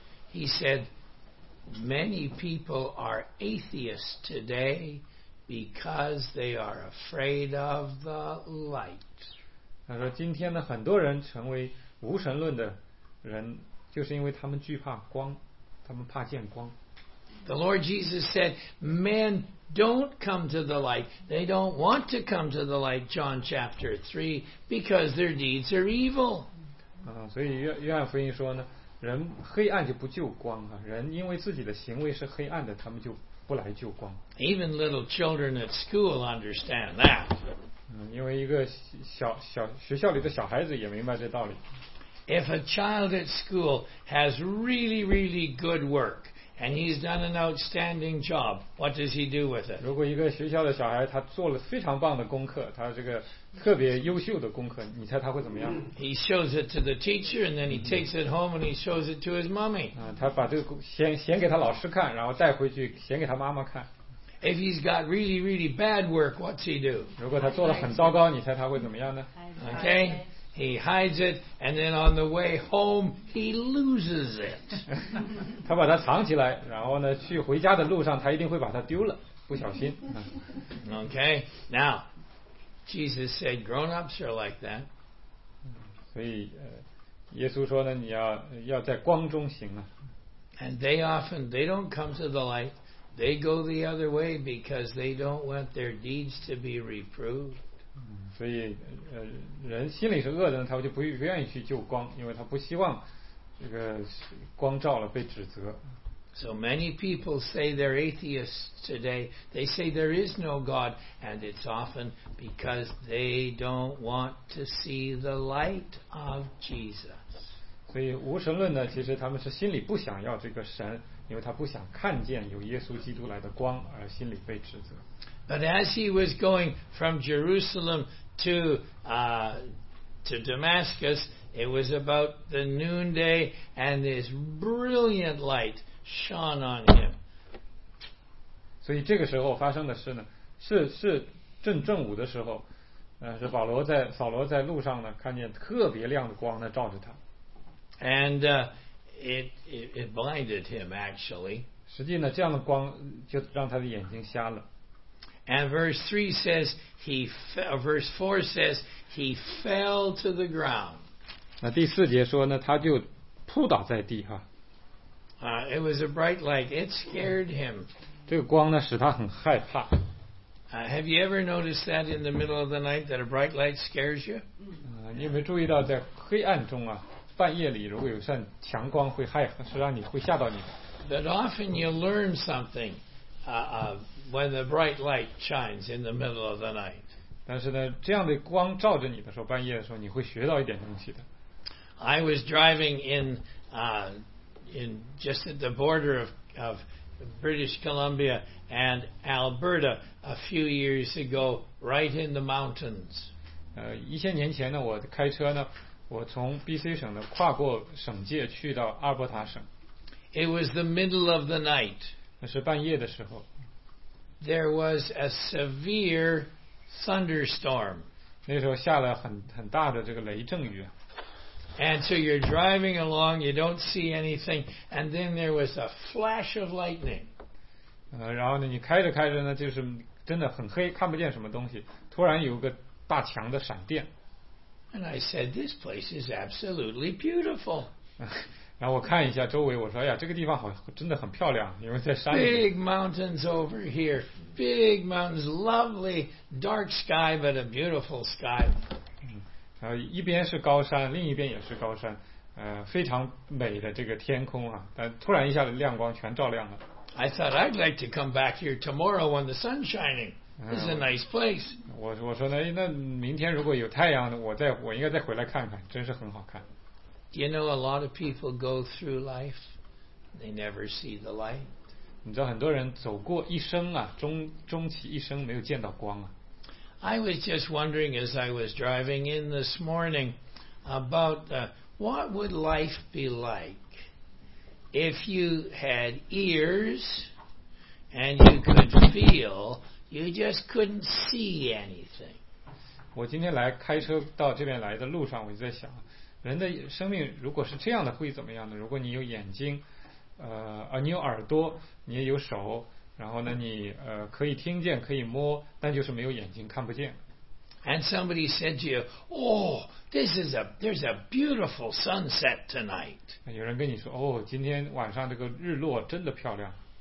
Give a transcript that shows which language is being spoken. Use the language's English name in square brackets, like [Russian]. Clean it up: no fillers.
[English] He said, many people are atheists today because they are afraid of the light. [Chinese] 他说今天呢，很多人成为无神论的人，就是因为他们惧怕光，他们怕见光。 [English] The Lord Jesus said, men don't come to the light. They don't want to come to the light, John chapter 3, because their deeds are evil. [Chinese] 所以约翰福音说呢，人黑暗就不救光啊！人因为自己的行为是黑暗的，他们就不来救光。 [English] Even little children at school understand that. [Chinese] 因为一个小学校里的小孩子也明白这道理。 [English] If a child at school has really, really good work and he's done an outstanding job, what does he do with it? [Chinese] 如果一个学校的小孩他做了非常棒的功课，他这个特别优秀的功课，你猜他会怎么样？ [English] He shows it to the teacher and then he takes it home and he shows it to his mommy. [Chinese] 他把这个显给他老师看，然后带回去显给他妈妈看。 [English] If he's got really, really bad work, what's he do? [Chinese] 如果他做了很糟糕，你猜他会怎么样呢？ [English] Okay, he hides it and then on the way home, he loses it. [Chinese] 他把它藏起来，然后呢，去回家的路上，他一定会把它丢了，不小心。 [English] Okay, now,Jesus said, grown-ups are like that. [Chinese] 所以耶稣说呢，你要在光中行啊。 [English] And they don't come to the light. They go the other way because they don't want their deeds to be reproved. [Chinese] 所以人心里是恶的，他就不愿意去救光，因为他不希望这个光照了被指责。 [English] So many people say they're atheists today. They say there is no God, and it's often because they don't want to see the light of Jesus. [Chinese] 所以无神论呢，其实他们是心里不想要这个神因为他不想看见有耶稣基督来的光而心里被指责。 [English] But as he was going from Jerusalem to Damascus, it was about the noonday, and this brilliant light shone on him. [Chinese] 所以这个时候发生的事呢，是正正午的时候，是保罗在扫罗在路上呢，看见特别亮的光呢照着他。 [English] And it blinded him actually. [Chinese] 实际呢，这样的光就让他的眼睛瞎了。 [English] And verse 3 says verse 4 says he fell to the ground. [Chinese] 那第四节说呢，他就扑倒在地哈。 [English] It was a bright light. It scared him. [Chinese] 这个光呢，使他很害怕。 [English] Have you ever noticed that in the middle of the night that a bright light scares you? [Chinese] 你有没有注意到在黑暗中啊，半夜里如果有扇强光会害，是让你会吓到你。 [English] But often you learn something. When the bright light shines in the middle of the night. [Chinese] 但是呢，这样的光照着你的时候，半夜的时候，你会学到一点东西的。 [English] I was driving in just at the border of British Columbia and Alberta a few years ago, right in the mountains. [Chinese] 一些年前呢，我开车呢，我从 BC 省呢跨过省界去到阿尔伯塔省。 [English] It was the middle of the night. [Chinese] 那是半夜的时候。 [English] There was a severe thunderstorm. [Chinese] 那时候下了很大的这个雷阵雨。 [English] And so you're driving along, you don't see anything, and then there was a flash of lightning. [Chinese] 然后呢，你开着开着呢，就是真的很黑，看不见什么东西。突然有个大强的闪电。 [English] And I said, "This place is absolutely beautiful." [Chinese] 然后我看一下周围，我说：“哎呀，这个地方好，真的很漂亮，因为在山里。” [English] Big mountains over here, big mountains, lovely dark sky, but a beautiful sky. [Chinese] 一边是高山，另一边也是高山，非常美的这个天空啊！但突然一下子亮光全照亮了。 [English] I thought I'd like to come back here tomorrow when the sun's shining. This is a nice place. [Chinese] 我说呢，那明天如果有太阳，我应该再回来看看，真是很好看。 [English] Do you know a lot of people go through life, they never see the light? [Chinese] 你知道很多人走过一生啊，终其一生没有见到光啊。 [English] I was just wondering as I was driving in this morning about what would life be like if you had ears and you could feel, you just couldn't see anything. [Chinese] 我今天来开车到这边来的路上，我就在想。人的生命如果是这样的会怎么样呢？如果你有眼睛，你有耳朵，你也有手，然后呢，你可以听见，可以摸，但就是没有眼睛，看不见。 [English] And somebody said to you, "Oh, there's a beautiful sunset tonight." [Chinese] 有人跟你说，哦，今天晚上这个日落真的漂亮。